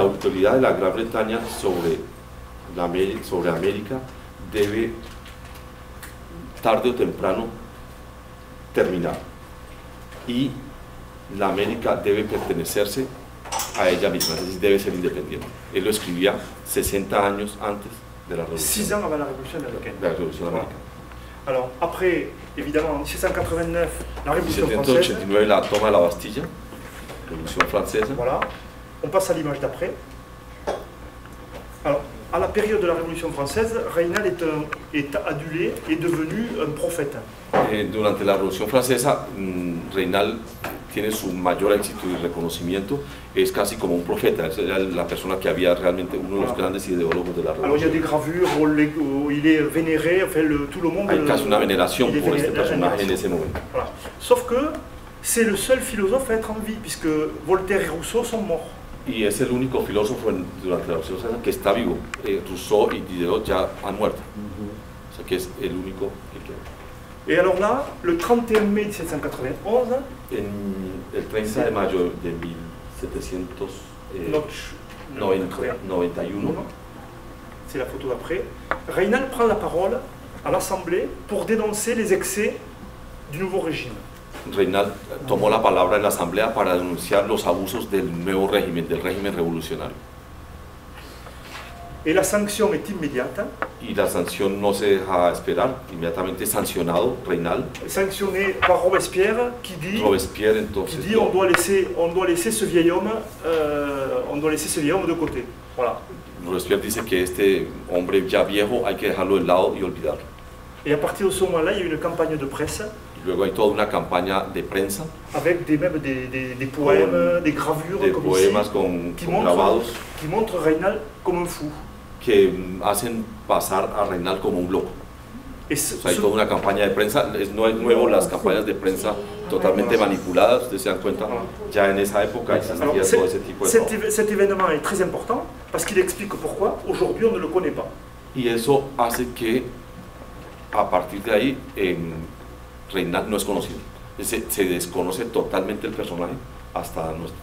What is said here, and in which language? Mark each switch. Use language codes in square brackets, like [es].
[es] autoridad de la Gran Bretaña sobre América debe tarde o temprano terminar. Y la América debe pertenecerse a ella misma, es decir, debe ser independiente. Él lo escribía 60 años antes de la Revolución. 6 años avant la Revolución Americana. La Revolución Americana. [fr] Alors, après, évidemment, en 1789, la Révolution française. [es] 1789, la toma de la Bastille, [fr] la Révolution française. Voilà. On passe à l'image d'après. Alors, à la période de la Révolution française, Raynal est adulé et devenu un prophète. Et durant la Révolution française, [es] Raynal tiene su mayor éxito y reconocimiento, es casi como un profeta, es la persona que había realmente uno de los grandes ideólogos de la Revolución. [fr] Alors, il y a des gravures où il est vénéré, enfin, tout le monde. [es] Hay casi una veneración por este personaje en ese momento. [fr] Voilà. Sauf que c'est le seul philosophe à être en vie, puisque Voltaire et Rousseau sont morts. [es] Y es el único filósofo durante la Revolución que está vivo. Rousseau y Diderot ya han muerto. O sea que es el único que queda. [fr] Et alors là, le 31 mai [es] 1791. El 30 de mayo de 1791. [fr] C'est la photo d'après. Raynal prend la parole à l'Assemblée pour dénoncer les excès du nouveau régime. [es] Raynal tomó la palabra en la Asamblea para denunciar los abusos del nuevo régimen, del régimen revolucionario. [fr] Et la sanction est immédiate. [es] Y la sanción no se deja esperar, inmediatamente sancionado Raynal. [fr] Sancionné par Robespierre qui dit. [es] Robespierre entonces. [fr] Qui dit on doit laisser ce vieil homme, on doit laisser ce vieil homme de côté. Voilà. [es] Robespierre dice que este hombre ya viejo hay que dejarlo de lado y olvidarlo. [fr] Et à partir de ce moment-là, il y a une campagne de presse. [es] Y luego hay toda una campaña de prensa. [fr] Avec des poèmes, des gravures, des poèmes [es] con grabados. [fr] Qui montre Raynal comme un fou. [es] Que hacen pasar a Raynal como un loco. Hay toda una campaña de prensa. No es nuevo, las campañas de prensa totalmente manipuladas, ustedes se dan cuenta. Ya en esa época existía todo ese tipo de cosas. [fr] Cet événement est très important parce qu'il explique pourquoi aujourd'hui on ne le connaît pas. [es] Y eso hace que a partir de ahí Raynal no es conocido. Se desconoce totalmente el personaje hasta